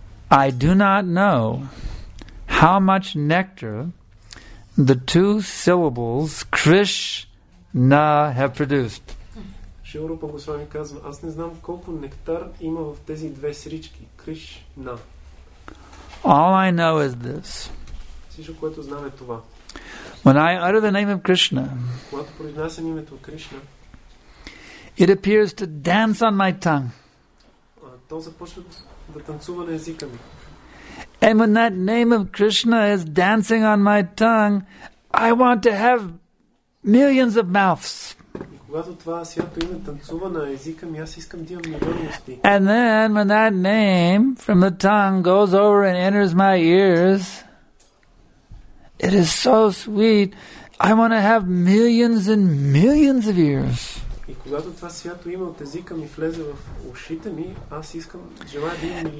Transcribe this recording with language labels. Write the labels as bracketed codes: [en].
[en] I do not know how much nectar the two syllables Krishna have produced. [bg] Шилрупа Госвами казва, аз не знам колко нектар има в тези две срички. Кришна. [en] All I know is this. [bg] Всичко, което знам, е това. [en] When I utter the name of Krishna, [bg] когато произнасям името Кришна, [en] it appears to dance on my tongue. [bg] То започва да танцува на езика ми. [en] And when that name of Krishna is dancing on my tongue, I want to have millions of mouths. [bg] Когато това свято име танцува на езика ми, аз искам да имам милиони усти. [en] And then when that name from the tongue goes over and enters my ears, it is so sweet. I want to have millions and millions of ears. [bg] И когато това свято име от езика ми влезе в ушите ми, аз искам, желая да имам милиони.